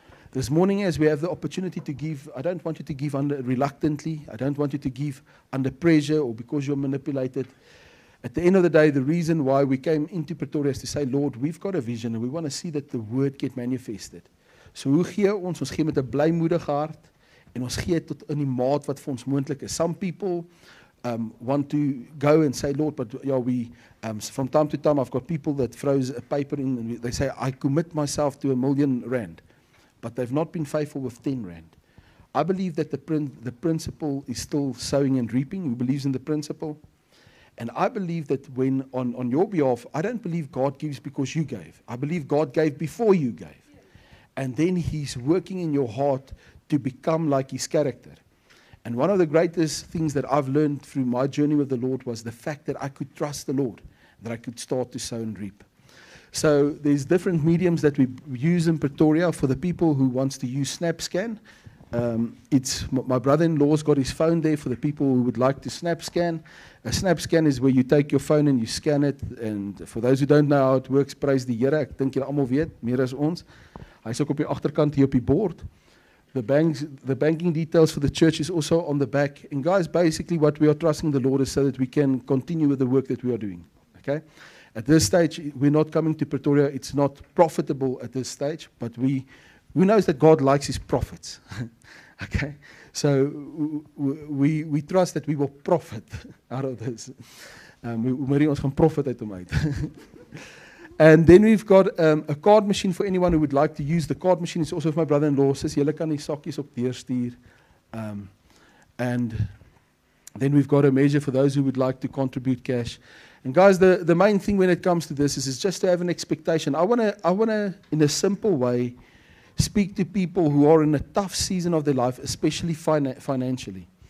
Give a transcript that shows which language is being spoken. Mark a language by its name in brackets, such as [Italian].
[English] This morning, as we have the opportunity to give, I don't want you to give under reluctantly. I don't want you to give under pressure or because you're manipulated. At the end of the day, the reason why we came into Pretoria is to say, Lord, we've got a vision and we want to see that the word get manifested. [Afrikaans] So hoe gee ons? Ons gee met 'n blymoedige hart en ons gee tot in die maat wat vir ons moontlik is. [English] Some people want to go and say, Lord, but yeah, we from time to time I've got people that throws a paper in and they say, I commit myself to R1 million. But they've not been faithful with 10 rand. I believe that the principle is still sowing and reaping. Who believes in the principle? And I believe that when on your behalf, I don't believe God gives because you gave. I believe God gave before you gave. And then he's working in your heart to become like his character. And one of the greatest things that I've learned through my journey with the Lord was the fact that I could trust the Lord, that I could start to sow and reap. So there's different mediums that we use in Pretoria for the people who wants to use SnapScan. It's my brother-in-law's got his phone there for the people who would like to SnapScan. A SnapScan is where you take your phone and you scan it. And for those who don't know how it works, praise the Here. [Afrikaans] Ek dink julle almal weet, meer as ons. Hy's ook op die agterkant hier op die bord. [English] The banking details for the church is also on the back. And guys, basically what we are trusting the Lord is so that we can continue with the work that we are doing. Okay? At this stage, we're not coming to Pretoria. It's not profitable at this stage, but we know that God likes his prophets. Okay? So we trust that we will profit out of this. [Afrikaans] Marie, ons gaan profit uit hom uit. [English] And then we've got a card machine for anyone who would like to use. The card machine is also for my brother-in-law. [Afrikaans] Says, jylle kan die sakkies op deurstuur. [English] And then we've got a measure for those who would like to contribute cash. And guys, the main thing when it comes to this is just to have an expectation. I wanna, in a simple way, speak to people who are in a tough season of their life, especially financially.